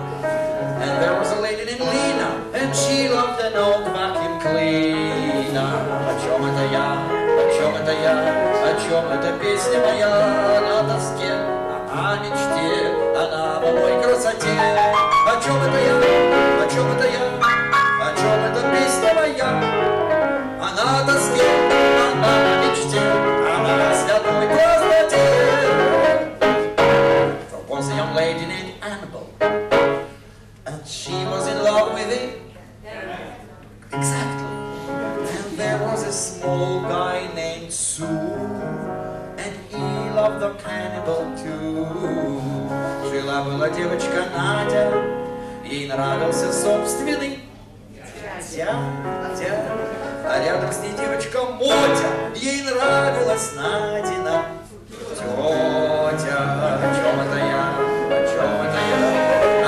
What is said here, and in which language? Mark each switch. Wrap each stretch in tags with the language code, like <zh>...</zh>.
<en>And there was a lady named Lena, and she loved an old vacuum cleaner.</en> <ru>О чем это я? О чем это я? О чем эта песня моя? На тоске, о мечте, она в одной красоте. О чем это я? О чем это я? О чем эта песня моя? Она в тоске, она в мечте, она в святой красоте.</ru> <en>There was a young lady named Annabel, and she was in love with it. Exactly. And there was a small guy named Sue, and he loved the cannibal too.</en> <ru>Жила была девочка Надя, ей нравился собственный дядя. А рядом с ней девочка Мотя, ей нравилась Надина тетя. О чем это я? О чем это я?</ru>